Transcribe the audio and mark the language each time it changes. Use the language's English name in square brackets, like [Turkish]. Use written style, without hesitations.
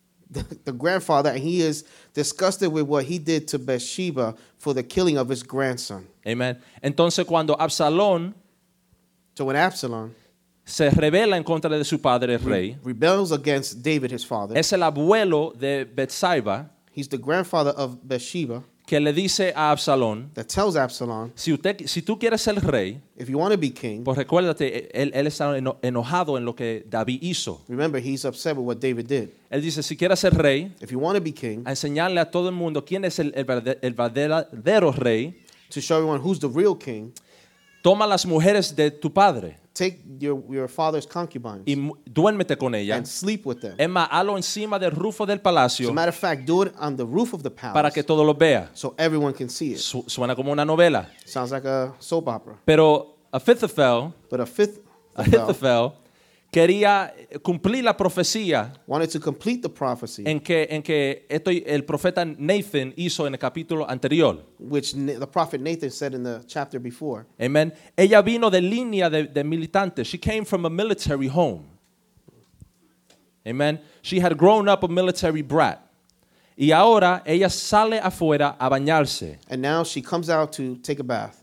[English] the grandfather, and he is disgusted with what he did to Bathsheba for the killing of his grandson. [Spanish] Amen. Entonces, cuando Absalón, [English] so when Absalom [Spanish] se rebela en contra de su padre el rey, [English] rebels against David his father, [Spanish] es el abuelo de Bathsheba, [English] he's the grandfather of Bathsheba, [Spanish] que le dice a Absalón, [English] that tells Absalom, [Spanish] si tú quieres ser rey, [English] if you want to be king, [Spanish] pues recuérdate, él está enojado en lo que David hizo. [English] Remember, he's upset with what David did. [Spanish] Él dice, si quieres ser rey, [English] if you want to be king, [Spanish] a enseñarle a todo el mundo quién es el verdadero rey, [English] to show everyone who's the real king, [Spanish] toma las mujeres de tu padre, [English] take your father's concubines, [Spanish] y duérmete con ella, [English] and sleep with them. [Spanish] Emma, halo encima del rufo del palacio, [English] as a matter of fact, do it on the roof of the palace, [Spanish] para que todo lo vea, [English] so everyone can see it. [Spanish] Suena como una novela. [English] Sounds like a soap opera. [Spanish] Pero Ahithophel, quería cumplir la profecía, [English] wanted to complete the prophecy, [Spanish] en que esto el profeta Nathan hizo en el capítulo anterior, [English] which the prophet Nathan said in the chapter before. [Spanish] Amen. Ella vino de línea de militantes. [English] She came from a military home. [Spanish] Amen. [English] She had grown up a military brat. [Spanish] Y ahora ella sale afuera a bañarse. [English] And now she comes out to take a bath.